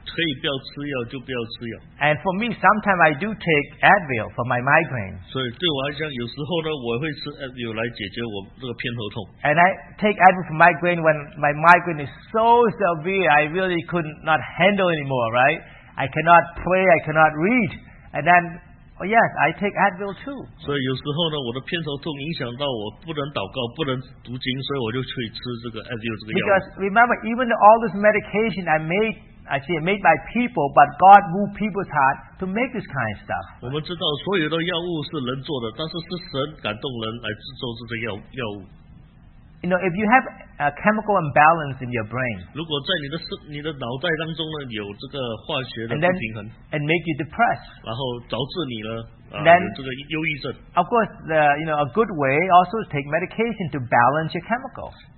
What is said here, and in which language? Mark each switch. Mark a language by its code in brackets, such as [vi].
[zh] 所以我的意思是说，你尽量可以不要吃药就不要吃药。 [en] And for me, sometimes I do take Advil for my migraine. [zh] 所以对我来讲，有时候呢，我会吃 Advil 来解决我这个偏头痛。 [en] And I take Advil for migraine when my migraine is so severe, I really could not handle anymore, right? I cannot pray, I cannot read. And then, oh yes, I take Advil too. [zh] 所以有时候呢，我的偏头痛影响到我不能祷告，不能读经，所以我就去吃这个Advil这个药。 [en] Because remember, even all this medication made by people, but God moved people's heart to make this kind of stuff. [zh] 我们知道所有的药物是人做的，但是是神感动人来制作这个药物。 [en] You know, if you have a chemical imbalance in your brain, [zh] 如果在你的脑袋当中呢, 有这个化学的不平衡, [en] and then, and make you depressed, [zh] 然后导致你呢, [en] then, [zh] 有这个忧郁症, [en] of course, you know, a good way also is take medication to balance your chemicals.